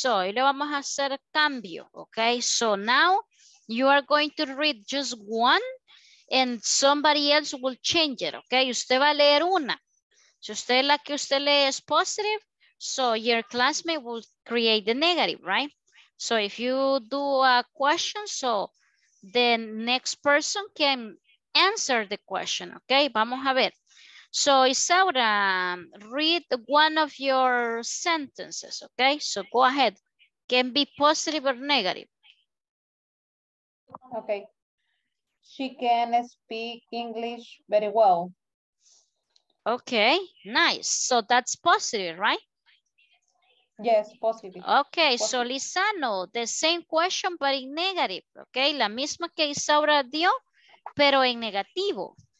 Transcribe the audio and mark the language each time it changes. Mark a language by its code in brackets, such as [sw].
[es] So, y le vamos a hacer cambio, okay? [en] So now you are going to read just one and somebody else will change it, okay? [es] Usted va a leer una. Si usted la que usted lee es positive, [en] so your classmate will create the negative, right? So if you do a question, so the next person can answer the question, okay? [es] Vamos a ver. [en] So Isaura, read one of your sentences, okay? So go ahead, can be positive or negative. Okay, she can speak English very well. Okay, nice, so that's positive, right? Yes, positive. Okay, positive. So Lisano, the same question but in negative, okay? [es] La misma que Isaura dio, pero en negativo.